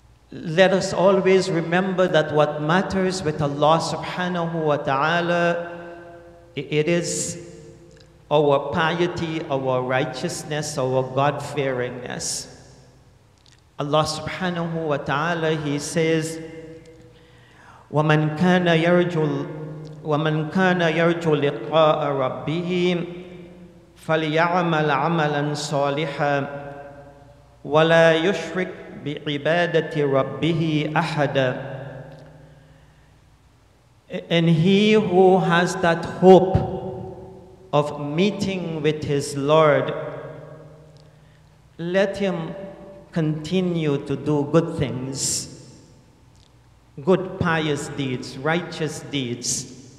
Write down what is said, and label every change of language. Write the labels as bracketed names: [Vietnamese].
[English] Let us always remember that what matters with Allah subhanahu wa ta'ala, it is our piety, our righteousness, our God-fearingness. [Arabic] Allah subhanahu wa ta'ala, [English] he says, [Arabic] وَمَنْ كَانَ يَرْجُ وَمَنْ كَانَ يَرْجُ لِقَاءَ رَبِّهِ فَلْيَعْمَلْ عَمَلًا صَالِحًا وَلَا يُشْرِكْ بِعِبَادَةِ رَبِّهِ أَحَدًا. [English] And he who has that hope of meeting with his Lord, let him continue to do good things, good pious deeds, righteous deeds.